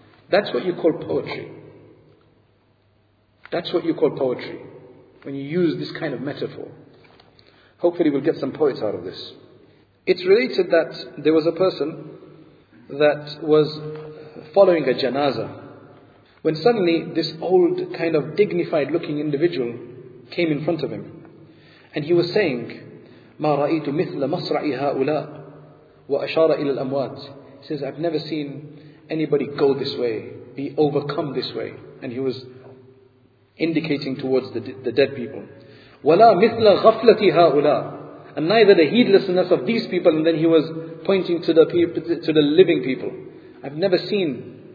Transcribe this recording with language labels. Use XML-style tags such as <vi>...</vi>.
<en>That's what you call poetry. That's what you call poetry, when you use this kind of metaphor. Hopefully we'll get some poets out of this. It's related that there was a person that was following a janazah, when suddenly this old, kind of dignified-looking individual came in front of him.</en> <ar>And he was saying, مَا رَأَيْتُ مِثْلَ مَصْرَعِ هَؤُلَاءِ وَأَشَارَ إِلَى الْأَمْوَاتِ.</ar> <en>He says, I've never seen anybody go this way, be overcome this way. And he was indicating towards the dead people.</en> <ar>وَلَا مِثْلَ غَفْلَةِ هَؤُلَاءِ.</ar> <en>And neither the heedlessness of these people, and then he was pointing to the living people. I've never seen.</en>